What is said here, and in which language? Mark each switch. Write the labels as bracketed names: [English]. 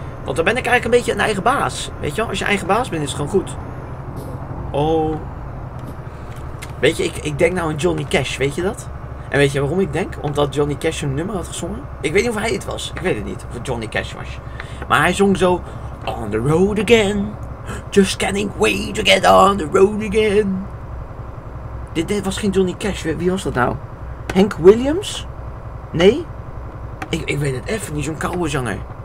[Dutch] Want dan ben ik eigenlijk een beetje een eigen baas. Weet je wel, als je eigen baas bent, is het gewoon goed. Oh. Weet je, ik denk nou aan Johnny Cash, weet je dat? En weet je waarom ik denk? Omdat Johnny Cash een nummer had gezongen. Ik weet niet of hij het was, ik weet het niet. Of het Johnny Cash was. Maar hij zong zo... [English] On the road again. Just can't wait to get on the road again. [Dutch] Dit was geen Johnny Cash. Wie was dat nou? Hank Williams? Nee? Ik weet het even niet, zo'n koude zanger.